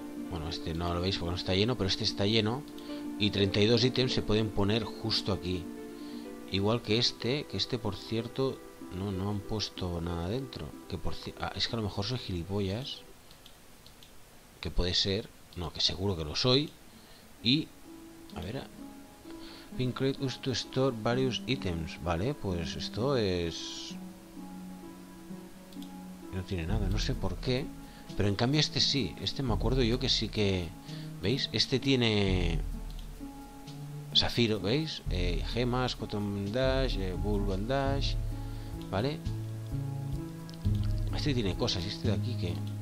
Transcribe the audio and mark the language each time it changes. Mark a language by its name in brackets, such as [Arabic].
[Spanish] Bueno, este no lo veis porque no está lleno, pero este está lleno. Y 32 ítems se pueden poner justo aquí. Igual que este, por cierto, no han puesto nada dentro. Que por es que a lo mejor soy gilipollas. Que puede ser. No, que seguro que lo soy. [English] Y, a ver, Pin Crate used to store various items. [Spanish] Vale, pues esto es. No tiene nada, no sé por qué. Pero en cambio este sí. Este me acuerdo yo que sí que. ¿Veis? Este tiene zafiro, ¿veis? Gemas, cotton dash, bulb and dash. ¿Vale? Este tiene cosas. Y este de aquí que.